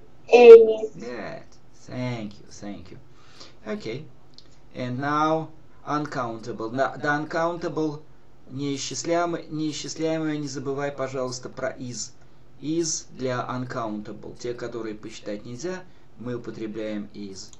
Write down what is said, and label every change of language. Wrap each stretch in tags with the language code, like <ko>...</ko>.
<en>Any. Good. Thank you, thank you. Okay. And now, uncountable.</en> <ru>The uncountable, неисчисляемое, не забывай, пожалуйста, про is.</ru> <en>Is для uncountable.</en> <ru>Те, которые посчитать нельзя, мы употребляем is.</ru>